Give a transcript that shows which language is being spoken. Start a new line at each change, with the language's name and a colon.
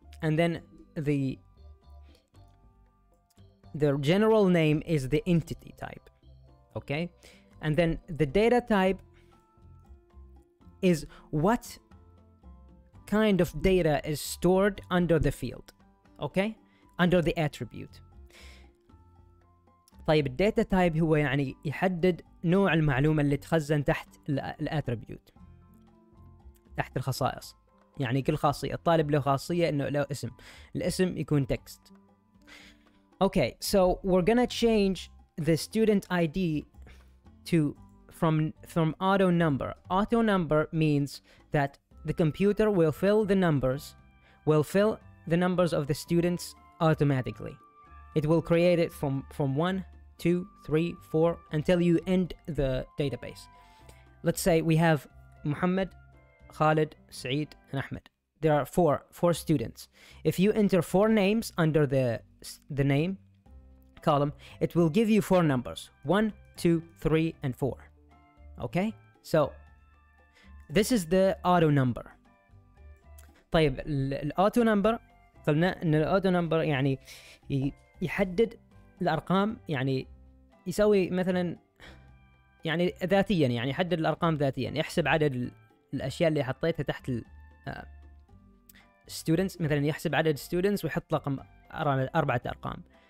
English: And then the general name is the entity type. Okay, and then the data type is what kind of data is stored under the field. Okay, under the attribute.
Arabic: طيب الداتا تايب هو يعني يحدد نوع المعلومة اللي تخزن تحت الاتريبيوت، تحت الخصائص. يعني كل خاصية، الطالب له خاصية انه له اسم، الاسم يكون تكست.
English: Okay, so we're gonna change the student ID to from auto number. Auto number means that the computer will fill the numbers, will fill the numbers of the students automatically. It will create it from 1, 2, 3, 4 until you end the database. Let's say we have Muhammad, Khalid, Saeed, and Ahmed. There are four students. If you enter four names under the name column, it will give you four numbers. 1, 2, 3, and 4. Okay? So, this is the auto number.
Arabic: طيب, الauto number, قلنا ان الauto number يعني يحدد الأرقام، يعني يسوي مثلا يعني ذاتيا، يعني يحدد الأرقام ذاتيا، يحسب عدد الأشياء اللي حطيتها تحت ال students، مثلا يحسب عدد students ويحط رقم 4 أرقام.